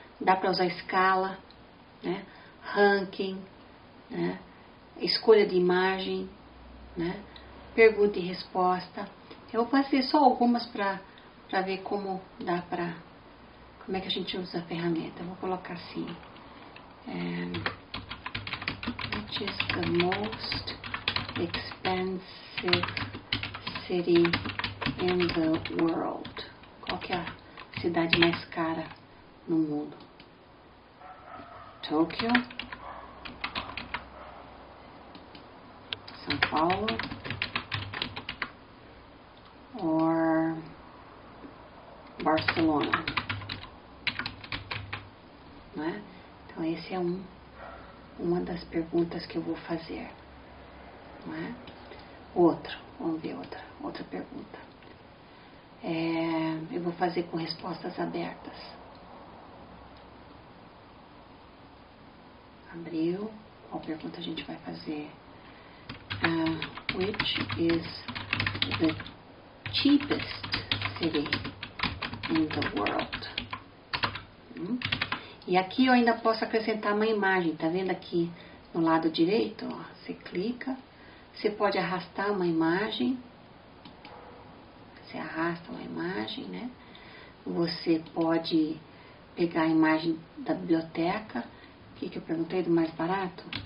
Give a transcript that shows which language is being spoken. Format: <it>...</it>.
<pt>Dá para usar escala, né? Ranking, né? Escolha de imagem, né? Pergunta e resposta. Eu vou fazer só algumas para ver como dá para, como é que a gente usa a ferramenta. Eu vou colocar assim.</pt> <en>Which is the most expensive city in the world?</en> <pt>Qual que é a cidade mais cara no mundo?</pt> <en>Tokyo, São Paulo, or Barcelona?</en> <pt>Não é? Então, essa é uma das perguntas que eu vou fazer. Não é? Outro, vamos ver outra pergunta. Eu vou fazer com respostas abertas. Abriu. Qual pergunta a gente vai fazer?</pt> <en>Which is the cheapest city in the world?</en> <pt>E aqui eu ainda posso acrescentar uma imagem, tá vendo aqui no lado direito? Ó, você clica, você pode arrastar uma imagem, você arrasta uma imagem, né? Você pode pegar a imagem da biblioteca, o que eu perguntei do mais barato?</pt>